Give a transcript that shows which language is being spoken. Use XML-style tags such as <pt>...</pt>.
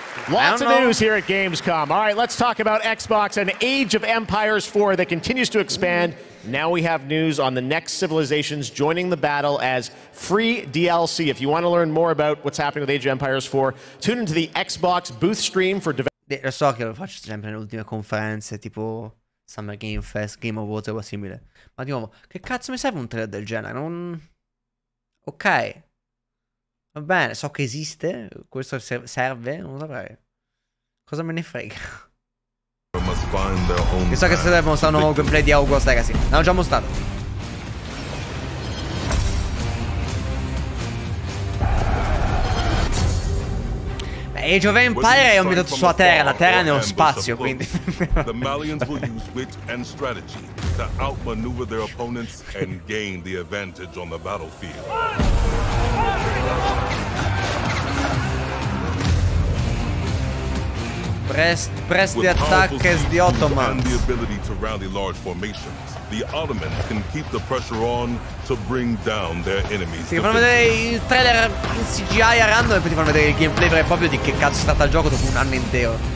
<en>lots of news here at Gamescom. All right, let's talk about Xbox and Age of Empires 4 that continues to expand. Now we have news on the next civilizations joining the battle as free DLC. If you want to learn more about what's happening with Age of Empires 4, tune into the Xbox booth stream for</en> <it>Lo so che lo faccio sempre nelle ultime conferenze, tipo Summer Game Fest, Game Awards o qualcosa simile. Ma di nuovo, che cazzo mi serve un trailer del genere? Non. Ok. Va bene, so che esiste. Questo serve. Non saprei. Cosa me ne frega? Io so che serve mostrare un nuovo gameplay di Agosto, ragazzi. L'hanno già mostrato. Age of Empire è ambientato sulla Terra, la Terra è nello spazio, quindi.</it> <en>The Malians will use wit and strategy to outmaneuver their opponents and gain the advantage on the battlefield. Presti attacche di Ottoman. The ability to rally large formations. The Ottomans can keep the pressure on to bring down their enemies.</en> <it>Sì, fanno vedere il trailer in CGI a random e poi ti fanno vedere il gameplay vero e proprio di che cazzo è stato il gioco dopo un anno intero.</it>